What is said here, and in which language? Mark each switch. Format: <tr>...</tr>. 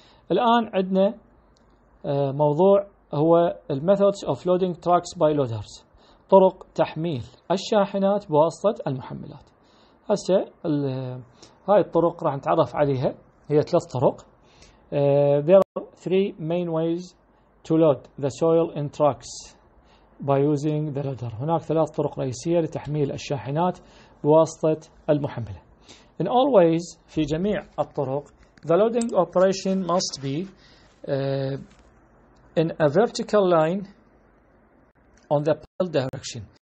<ar>الآن عندنا موضوع هو</ar> <en>Methods of Loading Trucks by Loaders،</en> <ar>طرق تحميل الشاحنات بواسطة المحملات. هسه هاي الطرق راح نتعرف عليها، هي ثلاث طرق.</ar> <en>There are three main ways to load the soil in trucks by using the loader.</en> <ar>هناك ثلاث طرق رئيسية لتحميل الشاحنات بواسطة المحملة.</ar> <en>In all ways،</en> <ar>في جميع الطرق،</ar> <en>the loading operation must be in a vertical line on the pile direction.</en>